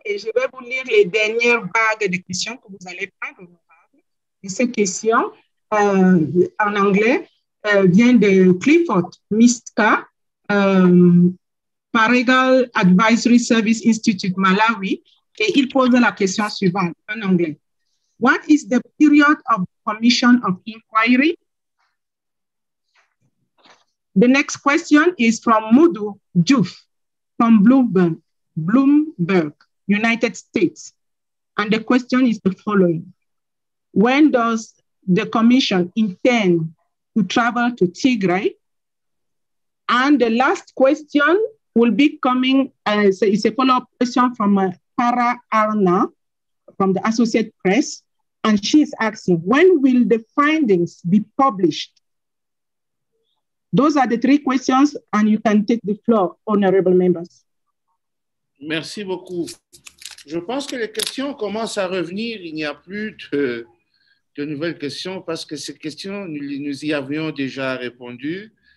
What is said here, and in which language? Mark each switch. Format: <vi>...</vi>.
<fr>Et je vais vous lire les dernières vagues de questions que vous allez prendre, honorable. Et ces questions, en anglais, viennent de Clifford Mistka, Paragal Advisory Service Institute, Malawi. Et il pose la question suivante, en anglais.</fr> <en>What is the period of the commission of inquiry? The next question is from Mudu Juf from Bloomberg, United States. And the question is the following. When does the commission intend to travel to Tigray? And the last question will be coming, it's a follow-up question from Tara Arna from the Associated Press. And she's asking, when will the findings be published? Those are the three questions, and you can take the floor, honorable members.</en> <fr>Merci beaucoup. Je pense que les questions commencent à revenir. Il n'y a plus de nouvelles questions parce que ces questions, nous y avions déjà répondu.</fr>